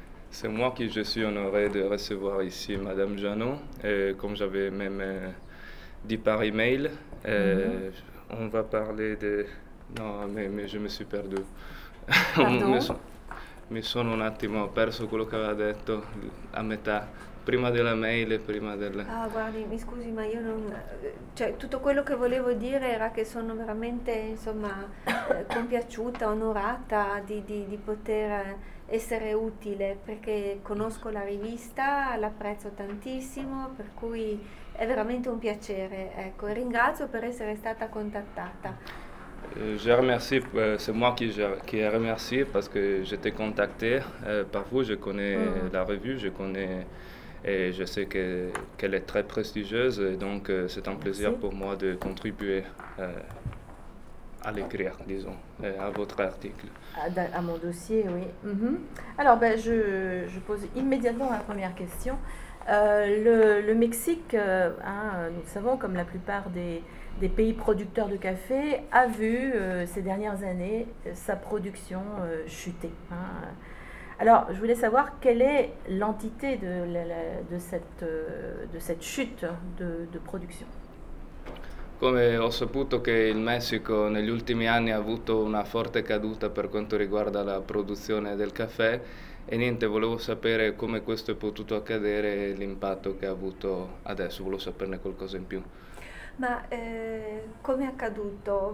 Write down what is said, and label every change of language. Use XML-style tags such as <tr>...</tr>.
<fr>C'est moi qui je suis honoré de recevoir ici Madame Janot. Comme j'avais même dit par email, on va parler de. Non, mais je me suis perdu. Pardon?</fr> <it>Mi sono un attimo perso quello che aveva detto a metà, prima della mail e prima del. Ah, guardi, mi scusi, ma io non. Cioè, tutto quello che volevo dire era che sono veramente, insomma, compiaciuta, onorata di poter essere utile, perché conosco la rivista, l'apprezzo tantissimo, per cui è veramente un piacere. Ecco, ringrazio per essere stata contattata.</it> <fr>Je remercie, c'est moi qui ai remercié parce que j'étais contacté par vous. Je connais la revue, je connais et je sais qu'elle est très prestigieuse. Et donc, c'est un plaisir Merci. pour moi de contribuer à l'écrire, disons, à votre article. À mon dossier, oui. Alors, ben, je pose immédiatement la première question. Le Mexique, hein, nous savons, comme la plupart des pays producteurs de café, a vu ces dernières années sa production chuter, hein. Alors, je voulais savoir quelle est l'entité de cette chute de production.</fr> <it>Come ho saputo che il Messico negli ultimi anni ha avuto una forte caduta per quanto riguarda la produzione del caffè, e niente, volevo sapere come questo è potuto accadere e l'impatto che ha avuto adesso, volevo saperne qualcosa in più. Ma come è accaduto?</it>